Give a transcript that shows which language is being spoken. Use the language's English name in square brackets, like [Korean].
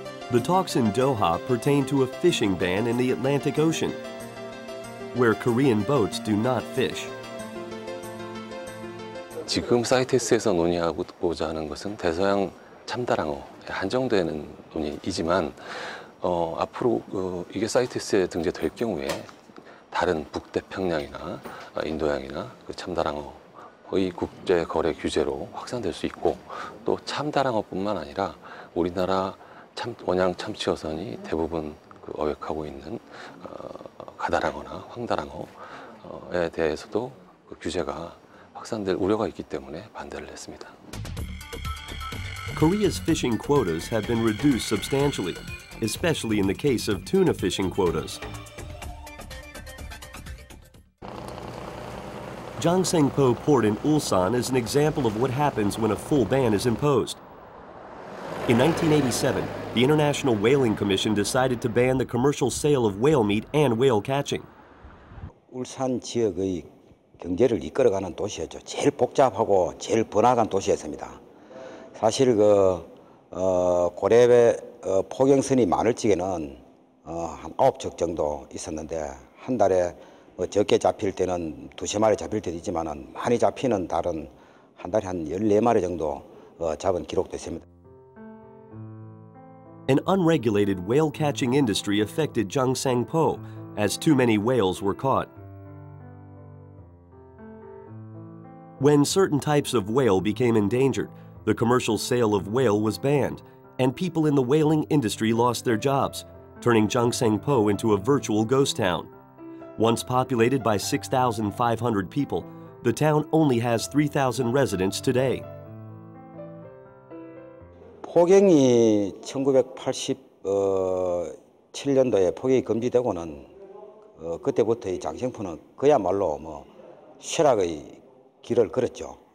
[English] The talks in Doha pertain to a fishing ban in the Atlantic Ocean, where Korean boats do not fish. [Korean] 지금 사이테스에서 논의하고자 하는 것은 대서양 참다랑어에 한정되는 논의이지만 앞으로 이게 사이테스에 등재될 경우에 다른 북태평양이나 인도양이나 그 참다랑어의 국제 거래 규제로 확산될 수 있고 또 참다랑어뿐만 아니라 우리나라 원양 참치 어선이 대부분 어획하고 있는 가다랑어나 황다랑어에 대해서도 규제가 확산될 우려가 있기 때문에 반대를 했습니다. [English] Korea's fishing quotas have been reduced substantially, especially in the case of tuna fishing quotas. Jongsangpo Port in Ulsan is an example of what happens when a full ban is imposed. In 1987, the International Whaling Commission decided to ban the commercial sale of whale meat and whale catching. [Korean] 울산 지역의 경제를 이끌어가는 도시였죠. 제일 복잡하고 제일 번화한 도시였습니다. 사실 그 고래배 포경선이 많을 지역에는 한 9척 정도 있었는데 한 달에 적게 잡힐 때는 두세 마리 잡힐 때도 있지만은 많이 잡히는 달은 한 달에 한 14마리 정도 잡은 기록도 있습니다. [English] An unregulated whale catching industry affected Jongsangpo as too many whales were caught. When certain types of whale became endangered, the commercial sale of whale was banned, and people in the whaling industry lost their jobs, turning Jongsangpo into a virtual ghost town. Once populated by 6,500 people, the town only has 3,000 residents today. [Korean] 포경이 1987년도에 포경이 금지되고는 그때부터 이 장생포는 그야말로 뭐 쇠락의 길을 걸었죠.